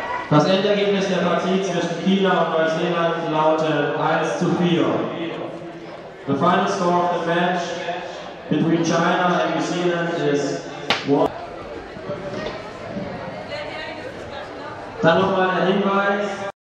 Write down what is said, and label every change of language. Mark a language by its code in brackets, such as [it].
[de] Das Endergebnis der Partie zwischen China und Neuseeland lautet 1-4. [en] The final score of the match between China and New Zealand is 1. [de] Dann nochmal der Hinweis.